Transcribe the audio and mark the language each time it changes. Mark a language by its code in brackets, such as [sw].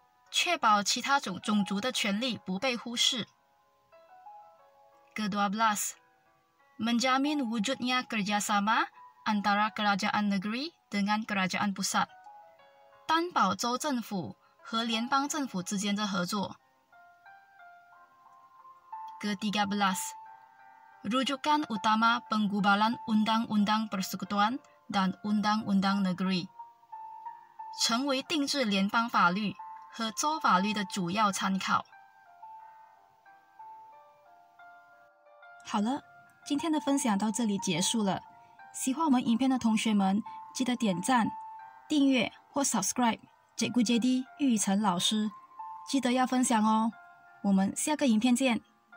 [zh] 确保其他种族的权利不被忽视。 [ms] Kedualas, menjamin wujudnya kerjasama antara kerajaan negeri dengan kerajaan pusat. [zh] 担保州政府和联邦政府之间的合作。 [ms] Ketiga belas, rujukan utama penggubalan undang-undang persekutuan dan undang-undang negeri, [zh] 成为定制联邦法律和州法律的主要参考。好了，今天的分享到这里结束了。喜欢我们影片的同学们，记得点赞、订阅。或 subscribe JGD 玉宇晨老师，记得要分享哦。我们下个影片见。